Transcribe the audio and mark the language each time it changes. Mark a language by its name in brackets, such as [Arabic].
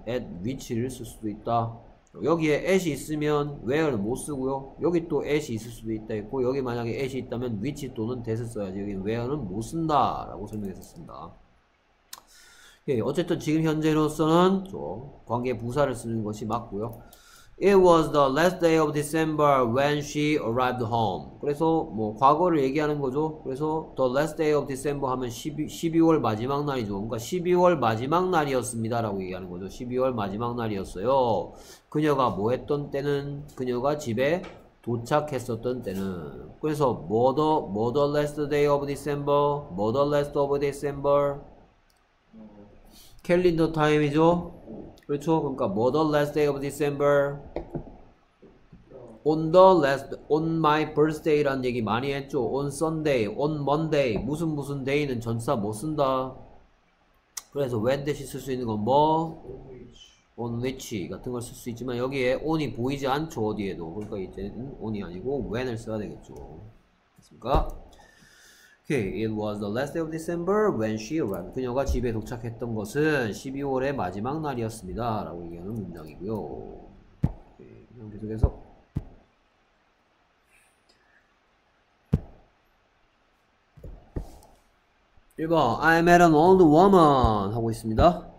[English] at which [Korean] 를 쓸 수도 있다. 여기에 at이 있으면 where를 못 쓰고요. 여기 또 at이 있을 수도 있다 했고, 여기 만약에 at이 있다면 which 또는 that을 써야지. 여기는 where는 못 쓴다. 라고 설명했었습니다. 예, 어쨌든 지금 현재로서는 관계 부사를 쓰는 것이 맞고요. [English] It was the last day of December when she arrived home. [Korean] 그래서 뭐 과거를 얘기하는 거죠. 그래서 [English] the last day of December [Korean] 하면 12월 마지막 날이죠. 그러니까 12월 마지막 날이었습니다라고 얘기하는 거죠. 12월 마지막 날이었어요. 그녀가 뭐 했던 때는 그녀가 집에 도착했었던 때는. 그래서 뭐 [English] the last day of December, 뭐 the last of December. [Korean] 캘린더 타임이죠. 그렇죠? 그러니까 뭐 [English] the last day of December? On my birthday [Korean] 란 얘기 많이 했죠? [English] On Sunday, on Monday, [Korean] 무슨 무슨 day는 전치사 못 쓴다. 그래서 when 대신 쓸수 있는 건 뭐? [English] On which [Korean] 같은 걸쓸수 있지만 여기에 on이 보이지 않죠? 어디에도. 그러니까 이제는 on이 아니고 when을 써야 되겠죠. 됐습니까? [English] Okay, it was the last day of December when she arrived. [Korean] 그녀가 집에 도착했던 것은 12월의 마지막 날이었습니다라고 얘기하는 문장이고요. [English] Okay, [Korean] 계속해서 1번 [English] I met an old woman [Korean] 하고 있습니다.